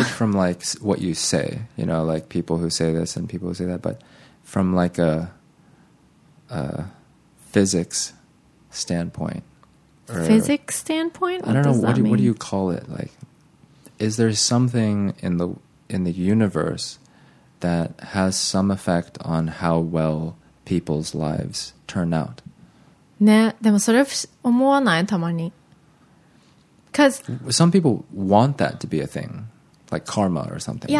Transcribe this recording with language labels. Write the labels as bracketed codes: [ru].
[en] Aside from, like, what you say, you know, like, people who say this and people who say that, but from, like, a physics standpoint. Or, physics standpoint? I don't know, what do you call it? Like, is there something in the universe... That has some effect on how well people's lives turn out. [ja] ね、でもそれ思わない、たまに。 [en] Because some people want that to be a thing, like karma or something.